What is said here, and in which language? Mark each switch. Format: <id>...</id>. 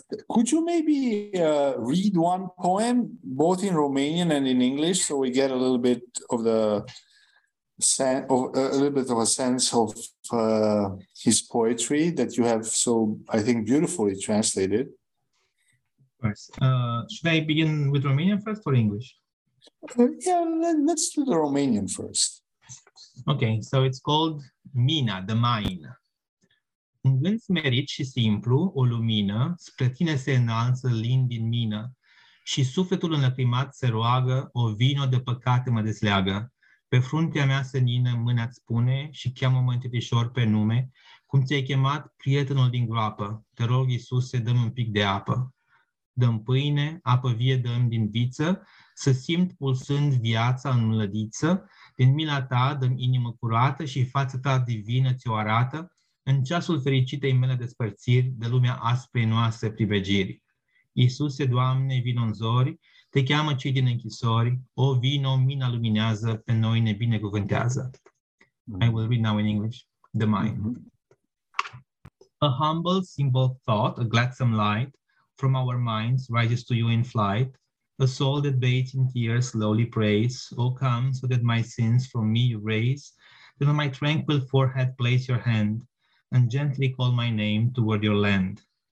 <en>Could you maybe read one poem, both in Romanian and in English, so we get a little bit of the a sense of his poetry that you have so, I think, beautifully translated? Of course. Should I begin with Romanian first or English? Let's do the Romanian first. Okay, so it's called Mina, the Mine.</en> <ro>Un gând smerit și simplu, o lumină, spre tine se înalță lin din mină și sufletul înlăcrimat se roagă, o vină de păcate mă desleagă. Pe fruntea mea senină mâna-ți spune și cheamă-mă întâlnișor pe nume, cum ți-ai chemat prietenul din groapă, te rog, Iisuse, dă-mi un pic de apă. Dă-mi pâine, apă vie dă-mi din viță, să simt pulsând viața în mlădiță, din mila ta dă-mi inimă curată și fața ta divină ți-o arată, în ceasul fericitei mele despărțiri, de lumea aspei noastre privegiri. Iisuse, Doamne, vino în zori, te cheamă cei din închisori, o vino, mina luminează, pe noi ne binecuvântează. Mm-hmm.</ro> <en>I will read now in English, the mind. Mm-hmm. A humble, simple thought, a gladsome light, from our minds rises to you in flight. A soul that bathes in tears slowly prays, O come, so that my sins from me you raise, that on my tranquil forehead place your hand, and gently call my name toward your land.</en>